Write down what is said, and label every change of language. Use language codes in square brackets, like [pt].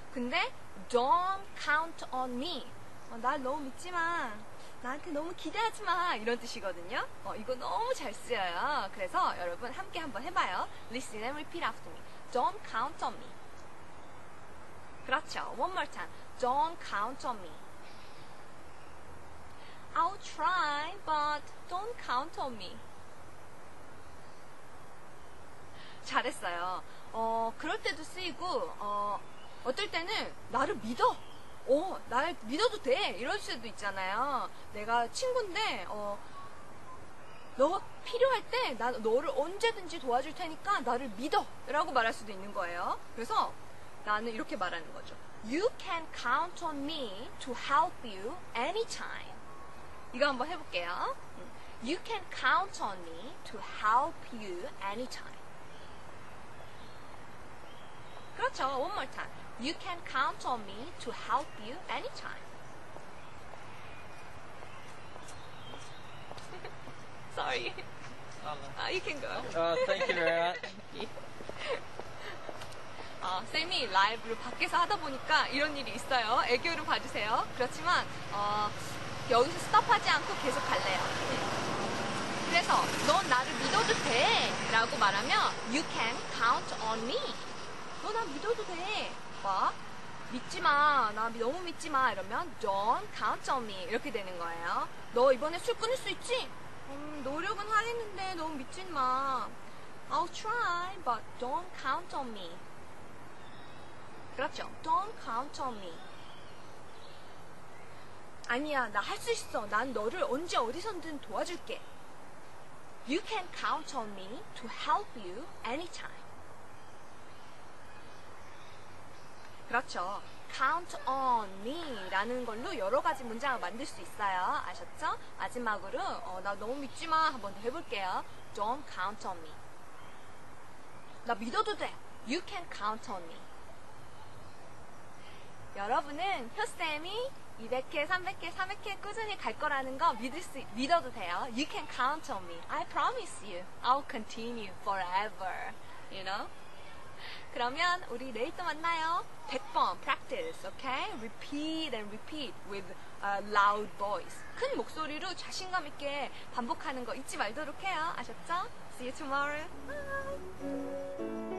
[ko] 근데 [en] don't count on me. [ko] 날 너무 믿지 마. 나한테 너무 기대하지 마. 이런 뜻이거든요. 이거 너무 잘 쓰여요. 그래서 여러분 함께 한번 해봐요. [en] Listen and repeat after me. Don't count on me. [ko] 그렇죠. [en] One more time. Don't count on me. I'll try, but don't count on me. [ko] 잘했어요. 그럴 때도 쓰이고, 어떨 때는 나를 믿어. 날 믿어도 돼. 이럴 수도 있잖아요. 내가 친구인데, 너가 필요할 때 난 너를 언제든지 도와줄 테니까 나를 믿어. 라고 말할 수도 있는 거예요. 그래서 나는 이렇게 말하는 거죠. [en] You can count on me to help you anytime. [ko] 이거 한번 해볼게요. [en] You can count on me to help you anytime. [ko] 그렇죠. [en] One more time. You can count on me to help you anytime. Sorry. You can go. Thank you very much. [ko] 쌤이 라이브로 밖에서 하다 보니까 이런 일이 있어요. 애교를 봐주세요. 그렇지만 여기서 스톱하지 않고 계속 갈래요. 그래서 넌 나를 믿어도 돼 라고 말하면 [en] You can count on me. [ko] 너 나 믿어도 돼. 봐. 믿지 마. 나 너무 믿지 마. 이러면 [en] Don't count on me. [ko] 이렇게 되는 거예요. 너 이번에 술 끊을 수 있지? 노력은 하겠는데 너무 믿지 마. [en] I'll try but don't count on me. [ko] 그렇죠. [en] Don't count on me. [ko] 아니야, 나 할 수 있어. 난 너를 언제 어디선든 도와줄게. [en] You can count on me to help you anytime. [ko] 그렇죠. [en] Count on me [ko] 라는 걸로 여러 가지 문장을 만들 수 있어요. 아셨죠? 마지막으로 나 너무 믿지 마 한번 더 해볼게요. [en] Don't count on me. [ko] 나 믿어도 돼. [en] You can count on me. [ko] 여러분은 효쌤이 200회, 300회, 300회 꾸준히 갈 거라는 거 믿어도 돼요. [en] You can count on me. I promise you. I'll continue forever. You know? [ko] 그러면 우리 내일 또 만나요. [en] 100번 practice, okay? Repeat and repeat with a loud voice. [ko] 큰 목소리로 자신감 있게 반복하는 거 잊지 말도록 해요. 아셨죠? [en] See you tomorrow. Bye.